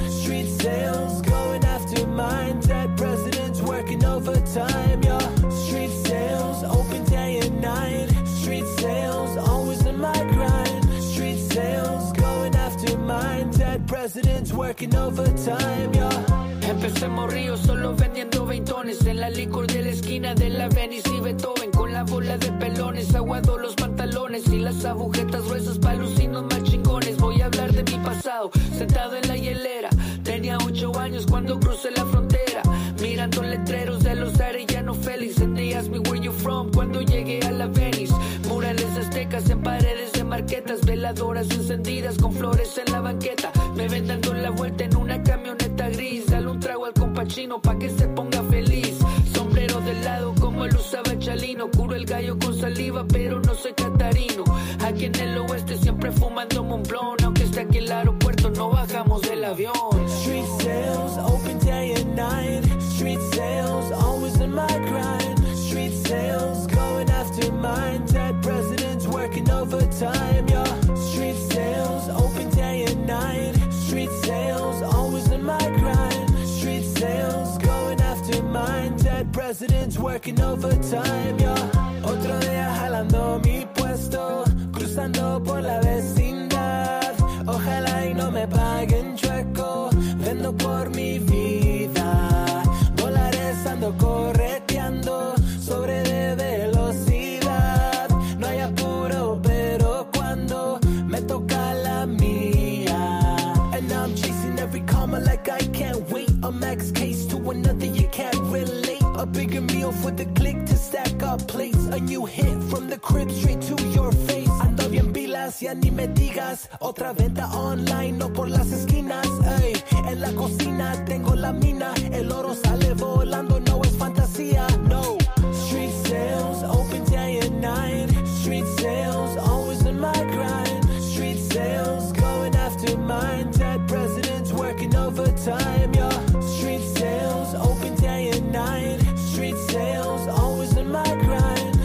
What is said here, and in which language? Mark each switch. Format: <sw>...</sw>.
<en>Street sales, going after mine. Dead presidents working overtime, yeah. Street sales, open day and night. Street sales, always in my grind. Street sales, going after mine. Dead presidents working overtime, yeah.</en> <es>Empecé en Morrillo solo vendiendo veintones. En la licor de la esquina de la Venice y Beethoven. Con la bola de pelones aguado los pantalones y la las agujetas gruesas pa' lucirnos más chingones. Voy a hablar de mi pasado, sentado en la hielera. Tenía 8 años cuando crucé la frontera, mirando letreros de los arellanos Félix.</es> <en>And they ask me where you from</en> <es>cuando llegué a la Venice. Murales aztecas en paredes de marquetas, veladoras encendidas con flores en la banqueta. Me ven dando la vuelta en una camioneta gris. Dale un trago al compa chino pa' que se ponga feliz. Sombrero de lado como lo usaba Chalino. Curo el gallo con saliva, pero no soy catarino. Aquí en el oeste siempre fumando Montblanc. Aunque esté aquí el aeropuerto, no bajamos del avión.</es> <en>Street sales, open day and night. Street sales, always in my grind. Street sales, going after mine. Dead presidents working overtime, yeah. Street sales, open day and night. Street sales, always in my grind. Street sales, going after mine. Dead presidents working overtime, yeah.</en> <es>Otro día jalando mi puesto, cruzando por la vecindad. Ojalá y no me paguen chueco, vendo por mi vida. Dólares ando correteando, sobre de velocidad. No hay apuro, pero cuando me toca la mía.</es> <en>And I'm chasing every karma like I can't wait. A max case to another, you can't relate. A bigger meal for the click to stack up plates. A new hit from the crib straight to your face.</en> <es>Ando bien pilas, ya ni me digas. Otra venta online, no por las esquinas. Ey, en la cocina tengo la mina. El oro sale volando, no es fantasía. No.</es> <en>Street sales, open day and night. Street sales, always in my grind. Street sales, going after mine. Dead presidents working overtime, yeah. Street sales, open day and night. Street sales, always in my grind.</en>